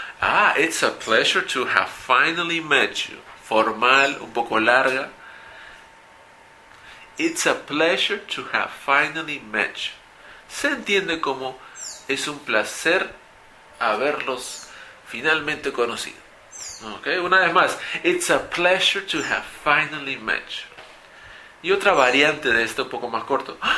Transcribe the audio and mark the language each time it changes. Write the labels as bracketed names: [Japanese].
[English] Ah, it's a pleasure to have finally met you. [Spanish] Formal, un poco larga. [English] It's a pleasure to have finally met you. [Spanish] Se entiende como es un placer haberlos finalmente conocido. [English] Okay, [Spanish] una vez más, [English] it's a pleasure to have finally met you. [Spanish] Y otra variante de esto, un poco más corto.